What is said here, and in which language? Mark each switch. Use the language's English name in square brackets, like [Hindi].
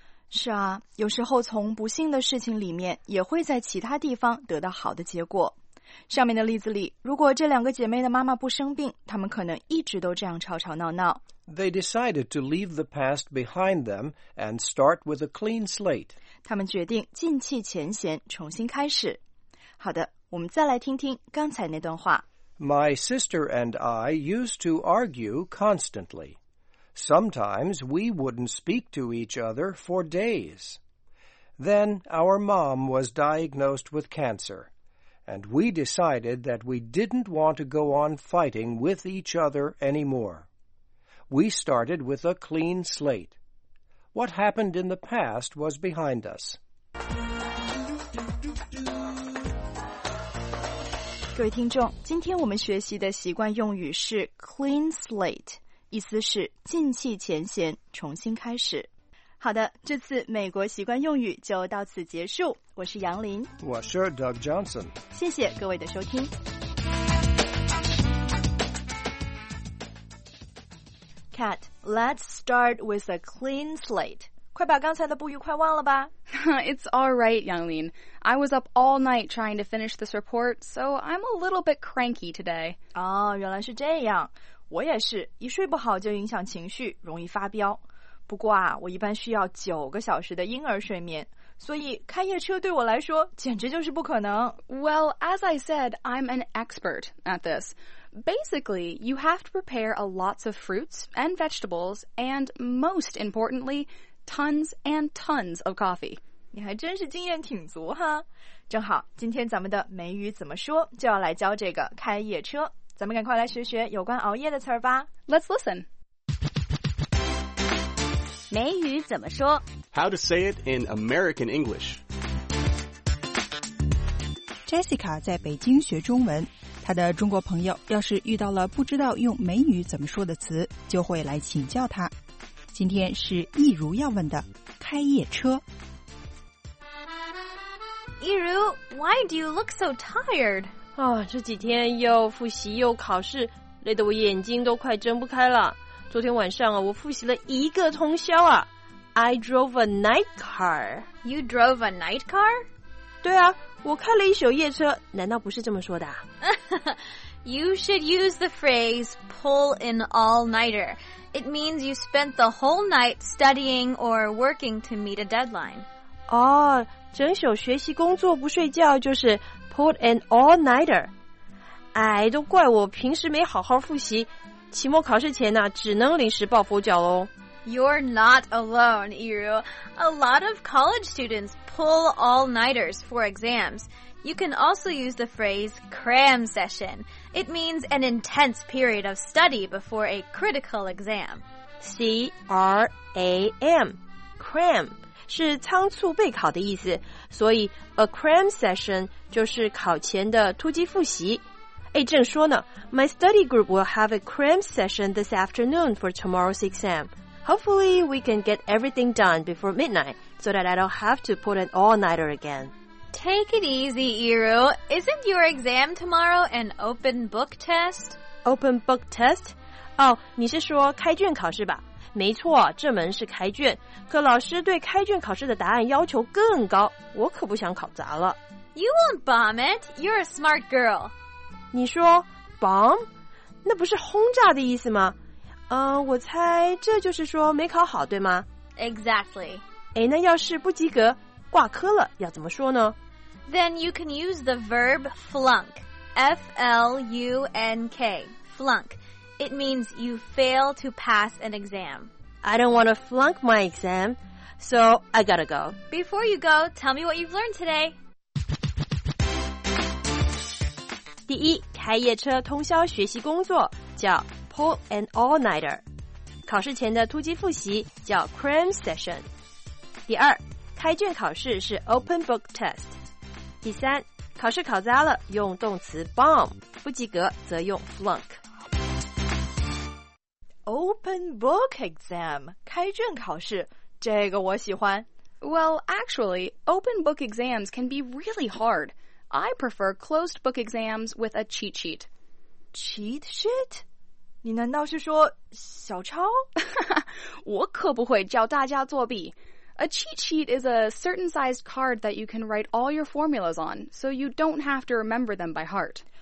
[Chinese] 是啊，有时候从不幸的事情里面，也会在其他地方得到好的结果。上面的例子里，如果这两个姐妹的妈妈不生病，她们可能一直都这样吵吵闹闹。 [English] They decided to leave the past behind them and start with a clean slate. [Chinese] 他们决定尽弃前嫌，重新开始。好的，我们再来听听刚才那段话。 [English] My sister and I used to argue constantly. Sometimes we wouldn't speak to each other for days. Then our mom was diagnosed with cancer, and we decided that we didn't want to go on fighting with each other anymore. We started with a clean slate. What happened in the past was behind us. [Chinese] 各位听众，今天我们学习的习惯用语是 clean slate， 意思是尽弃前嫌，重新开始。好的，这次美国习惯用语就到此结束。我是杨林，我是 Doug Johnson。谢谢各位的收听。 [English] Cat, let's start with a clean slate. [Chinese] 快把刚才的不愉快忘了吧。 [English] It's all right, Yanglin. I was up all night trying to finish this report, so I'm a little bit cranky today. [Chinese] 哦，原来是这样。我也是，一睡不好就影响情绪，容易发飙。不过啊，我一般需要9个小时的婴儿睡眠，所以开夜车对我来说简直就是不可能。 [English] Well, as I said, I'm an expert at this. Basically, you have to prepare a lots of fruits and vegetables, and most importantly, tons and tons of coffee. [Chinese] 你还真是经验挺足哈。正好，今天咱们的美语怎么说就要来教这个开夜车。咱们赶快来学学有关熬夜的词儿吧。 [English] Let's listen. [Chinese] 美语怎么说？ [English] How to say it in American English. [Chinese] Jessica 在北京学中文。他的中国朋友要是遇到了不知道用美语怎么说的词，就会来请教他。今天是一如要问的开夜车。 [English] 一如 ，Why do you look so tired？ [Chinese] 啊，这几天又复习又考试，累得我眼睛都快睁不开了。昨天晚上啊，我复习了一个通宵啊。 [English] I drove a night car. You drove a night car？ [Chinese] 对啊。我开了一宿夜车，难道不是这么说的、啊、 [English] You should use the phrase pull an all-nighter. It means you spent the whole night studying or working to meet a deadline. [Chinese] 哦，整宿学习工作不睡觉就是 pull an all-nighter. 哎，都怪我平时没好好复习，期末考试前呢、啊，只能临时抱佛脚喽。 [English] You're not alone, Iru. A lot of college students pull all-nighters for exams. You can also use the phrase cram session. It means an intense period of study before a critical exam. [Chinese] C-R-A-M, cram, 是仓促备考的意思。所以 a cram session 就是考前的突击复习。哎，正说呢， [English] my study group will have a cram session this afternoon for tomorrow's exam. Hopefully, we can get everything done before midnight so that I don't have to put an all-nighter again. Take it easy, Iru. Isn't your exam tomorrow an open book test? Open book test? [Chinese] 哦，你是说开卷考试吧？没错，这门是开卷，可老师对开卷考试的答案要求更高，我可不想考砸了。 [English] You won't bomb it. You're a smart girl. [Chinese] 你说 bomb? 那不是轰炸的意思吗？我猜这就是说没考好，对吗？ [English] Exactly. [Chinese] 诶，那要是不及格，挂科了，要怎么说呢？ [English] Then you can use the verb flunk. F-L-U-N-K. Flunk. It means you fail to pass an exam. I don't want to flunk my exam, so I gotta go. Before you go, tell me what you've learned today. [Chinese] 第一，开夜车通宵学习工作叫 pull an all-nighter， 考试前的突击复习叫 cram session。第二，开卷考试是 open book test。第三，考试考砸了用动词 bomb， 不及格则用 flunk。 open book exam， 开卷考试，这个我喜欢。 [English] Well, actually, open book exams can be really hardI prefer closed book exams with a cheat sheet. [Chinese] Cheat sheet? 你难道是说小抄？我可不会教大家作弊。 [English] A cheat sheet is a certain sized card that you can write all your formulas on, so you don't have to remember them by heart.